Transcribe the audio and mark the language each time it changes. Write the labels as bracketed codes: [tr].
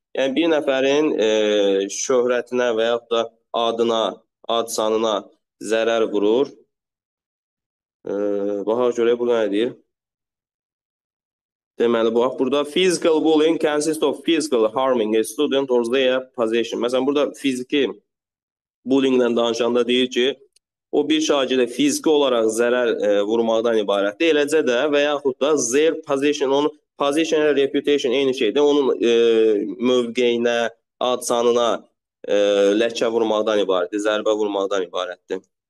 [az] Yəni, bir nəfərin şöhrətinə və yaxud da adına, adsanına zərər vurur. Baxaq görə burada nə deyir? Deməli, bax, burada [en] physical bullying consists of physical harming a student or their possession. [az] Məsələn, burada fiziki bullying-dən danışanda deyir ki, o bir şagirdə fiziki olaraq zərər vurmaqdan ibarətdir. Eləcə də və yaxud da [en] their possession, [az] onun [en] possession and reputation [az] eyni şeydir. Onun mövqeyinə, adsanına ləkə vurmaqdan ibarətdir, zərbə vurmaqdan ibarətdir.